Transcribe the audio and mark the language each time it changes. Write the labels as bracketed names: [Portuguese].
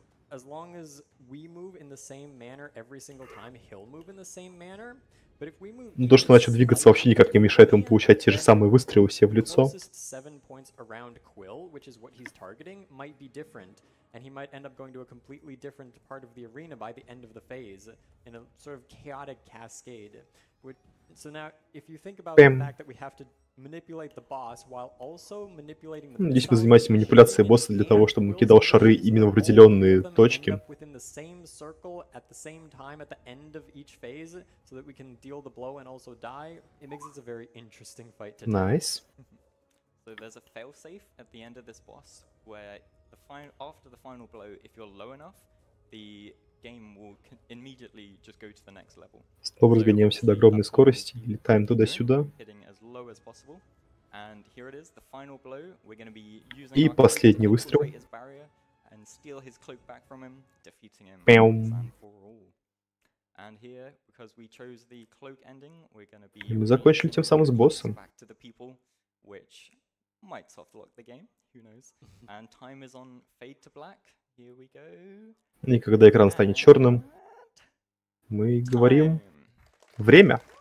[English] As long as we move in the same manner every single time, he'll move in the same manner. But if we move, [Russian] то, что начал двигаться, вообще никак не мешает ему получать те же самые выстрелы себе в лицо. [English] Seven points around Quill, which is what he's targeting, might be different, and he might end up going to a completely different part of the arena by the end of the phase in a sort of chaotic cascade. So now, if you think about the fact that we have to manipulate the boss while also manipulating the [Russian] Здесь мы занимаемся манипуляцией босса для того, чтобы он кидал шары именно в определенные точки. [English] the same circle at the same time at the end of each phase so that we can deal the blow and also die, it makes this a very interesting fight to Nice. So there's a failsafe at the end of this boss where the after the final blow, if you're low enough, the game will immediately just go to the next level. [Russian] Снова разгоняемся до огромной скорости и летаем туда-сюда. [English] Hitting as low as possible. And here it is, the final blow. We're going to be using [Russian] и последний выстрел. [English] And steal his cloak back from him, defeating him. Бэм. And here, because we chose the cloak ending, we're going to be [Russian] мы закончили тем самым с боссом. [English] Back to the people, which might soft lock the game, who knows. And time is on fade to black. Here we go. [Russian] И когда экран станет черным, мы говорим время.